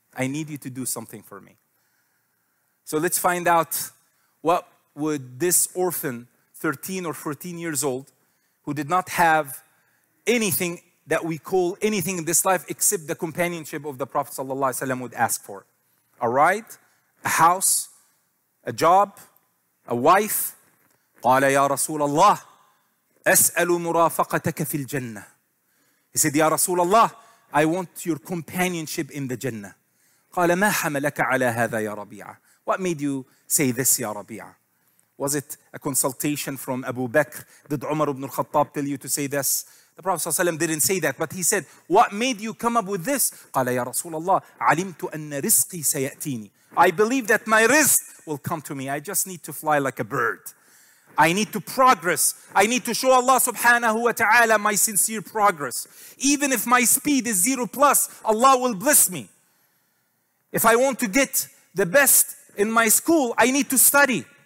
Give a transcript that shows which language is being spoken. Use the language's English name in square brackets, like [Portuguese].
[English] I need you to do something for me." So let's find out what would this orphan, 13 or 14 years old, who did not have anything that we call anything in this life except the companionship of the Prophet sallallahu alayhi wasallam, would ask for. A ride, a house, a job, a wife. [Arabic] قَالَ يَا رَسُولَ اللَّهِ أسأل مرافقتك في الجنة. [English] He said, "Ya Rasulullah, I want your companionship in the Jannah." [Arabic] قال ما حملك على هذا يا ربيعة? [English] What made you say this, [Arabic] يا ربيعة? [English] Was it a consultation from Abu Bakr? Did Umar ibn al-Khattab tell you to say this? The Prophet [Arabic] صلى الله عليه وسلم [English] didn't say that, but he said, "What made you come up with this?" [Arabic] قال يا رسول الله, علمت أن رزقي سيأتيني. [English] I believe that my rizq will come to me. I just need to fly like a bird. I need to progress. I need to show Allah subhanahu wa ta'ala my sincere progress. Even if my speed is 0+, Allah will bless me. If I want to get the best in my school, I need to study.